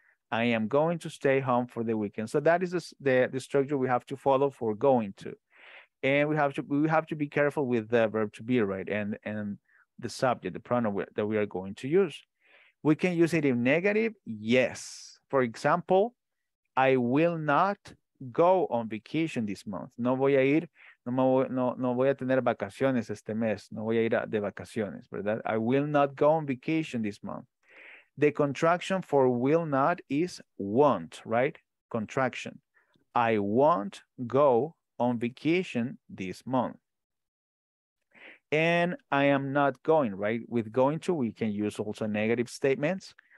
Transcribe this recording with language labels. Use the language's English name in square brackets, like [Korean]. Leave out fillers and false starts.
[English] I am going to stay home for the weekend. So that is the structure we have to follow for going to. And we have to be careful with the verb to be, right? And the subject, the pronoun that we are going to use. We can use it in negative, yes. For example, I will not go on vacation this month. [Spanish] No voy a ir, no voy a tener vacaciones este mes. No voy a ir de vacaciones, ¿verdad? [English] I will not go on vacation this month. The contraction for will not is won't, right? Contraction. I won't go on vacation this month. And I am not going, right? With going to, we can use also negative statements.